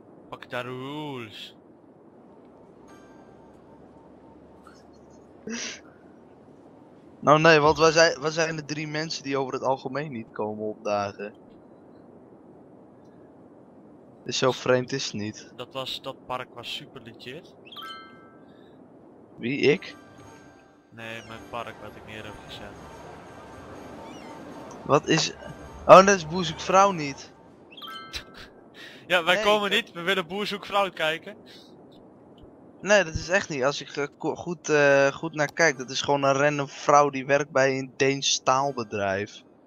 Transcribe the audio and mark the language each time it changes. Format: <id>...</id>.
<en>Fuck the rules.</en> <nl>Nou nee, want wij zijn de drie mensen die over het algemeen niet komen opdagen. Dus zo vreemd is het niet. Dat park was super legit. Wie, ik? Nee, mijn park wat ik neer heb gezet. Wat is... Oh, dat is Boerzoekvrouw niet. Ja, wij nee, komen niet, we willen Boerzoekvrouw kijken. Nee, dat is echt niet. Als ik goed naar kijk, dat is gewoon een random vrouw die werkt bij een Deens staalbedrijf.</nl>